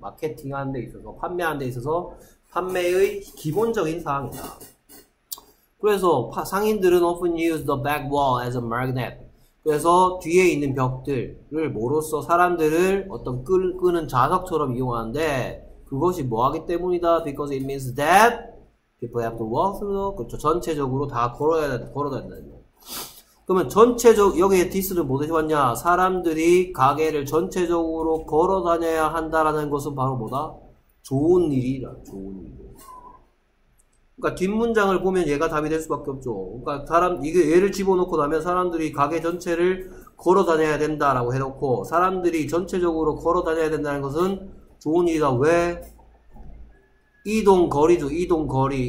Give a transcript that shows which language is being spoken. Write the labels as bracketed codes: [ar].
[ko] 마케팅하는 데 있어서 판매하는 데 있어서 판매의 기본적인 사항이다. 그래서 상인들은 [en] often use the back wall as a magnet. [ko] 그래서 뒤에 있는 벽들을 뭐로써 사람들을 어떤 끄는 자석처럼 이용하는데 그것이 뭐하기 때문이다? [en] Because it means that people have to walk through. [ko] 그렇죠. 전체적으로 다 걸어야 된다. 그러면 전체적 여기에 디스를 뭐 해봤냐? 사람들이 가게를 전체적으로 걸어 다녀야 한다라는 것은 바로 뭐다? 좋은 일이라. 좋은 일. 그러니까 뒷문장을 보면 얘가 답이 될 수밖에 없죠. 그러니까 사람 이게 얘를 집어넣고 나면 사람들이 가게 전체를 걸어 다녀야 된다라고 해놓고 사람들이 전체적으로 걸어 다녀야 된다는 것은 좋은 일이다. 왜? 이동 거리죠. 이동 거리.